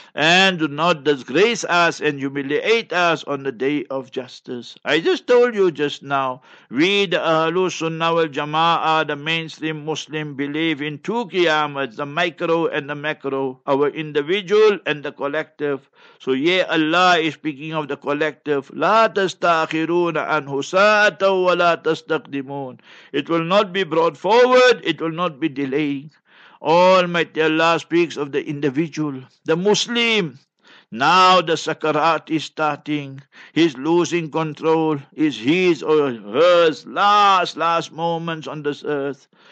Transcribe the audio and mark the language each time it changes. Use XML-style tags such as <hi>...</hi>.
<en>And do not disgrace us and humiliate us on the day of justice. I just told you just now, we the Ahlul Sunnah wal Jama'ah, the mainstream Muslim, believe in two Qiyamahs, the micro and the macro, our individual and the collective. So Ya Allah is speaking of the collective.</en> <ar>لا تستأخرون عنه ساعة ولا تستقدمون.</ar> <en>It will not be brought forward, it will not be delaying. Almighty Allah speaks of the individual, the Muslim. Now the sakarat is starting. He's losing control. Is his or hers last moments on this earth?</en>